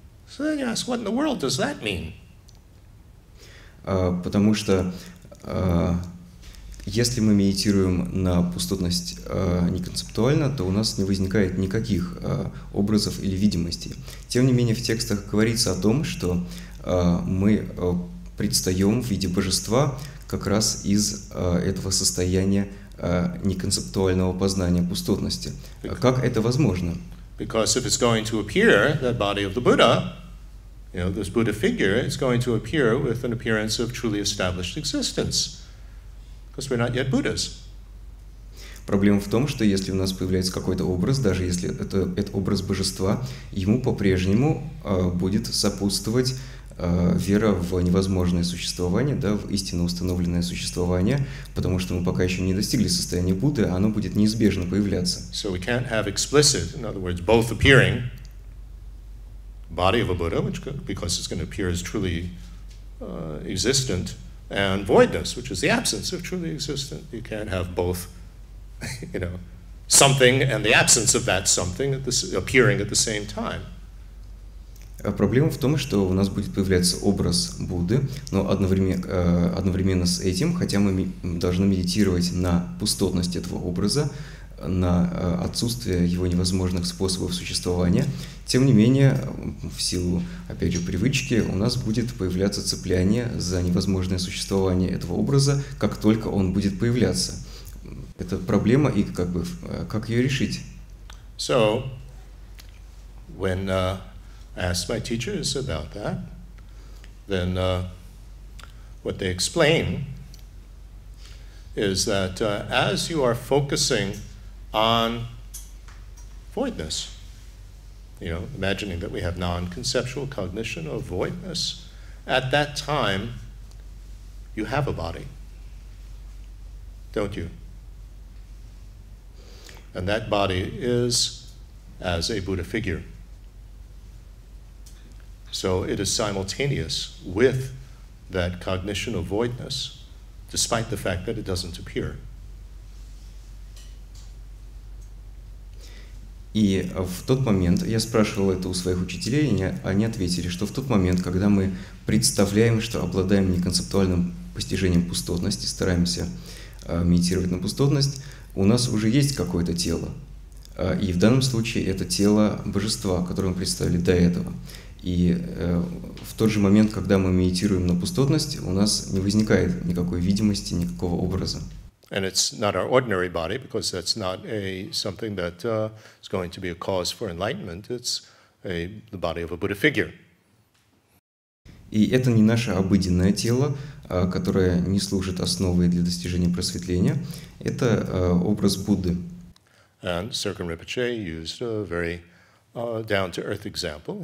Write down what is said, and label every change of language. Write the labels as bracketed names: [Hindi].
[English] So then you ask, what in the world does that mean? [Russian] Потому что если мы медитируем на пустотность неконцептуально, то у нас не возникает никаких образов или видимости. Тем не менее, в текстах говорится о том, что мы предстаем в виде божества как раз из этого состояния неконцептуального познания пустотности. Как это возможно? [English] Because if it's going to appear, that body of the Buddha, you know, this Buddha figure, it's going to appear with an appearance of truly established existence. Because we're not yet Buddhas. [Russian] Проблема в том, что если у нас появляется какой-то образ, даже если это образ божества, ему по-прежнему будет сопутствовать вера в невозможное существование, да, в истинно установленное существование, потому что мы пока еще не достигли состояния Будды, оно будет неизбежно появляться. [English] So we can't have explicit, in other words, both appearing body of a Buddha, which could, because it's going to appear as truly existent, and voidness, which is the absence of truly existent. You can't have both, you know, something and the absence of that something appearing at the same time. [Russian] Проблема в том, что у нас будет появляться образ Будды, но одновременно с этим, хотя мы должны медитировать на пустотность этого образа, на отсутствие его невозможных способов существования, тем не менее, в силу, опять же, привычки, у нас будет появляться цепляние за невозможное существование этого образа, как только он будет появляться. Это проблема, и как бы, как ее решить? [English] So, when I asked my teachers about that, then what they explain is that as you are focusing on voidness, you know, imagining that we have non-conceptual cognition of voidness, at that time, you have a body, don't you? And that body is as a Buddha figure. So it is simultaneous with that cognition of voidness, despite the fact that it doesn't appear. [Russian] И в тот момент, я спрашивал это у своих учителей, и они ответили, что в тот момент, когда мы представляем, что обладаем неконцептуальным постижением пустотности, стараемся медитировать на пустотность, у нас уже есть какое-то тело. И в данном случае это тело божества, которое мы представили до этого. И в тот же момент, когда мы медитируем на пустотность, у нас не возникает никакой видимости, никакого образа. [English] And it's not our ordinary body, because that's not a something that is going to be a cause for enlightenment. It's a the body of a Buddha figure. [Russian] И это не наше обыденное тело, которое не служит основой для достижения просветления. Это образ Будды. [English] And Sirkin Rinpoche used a very down-to-earth example.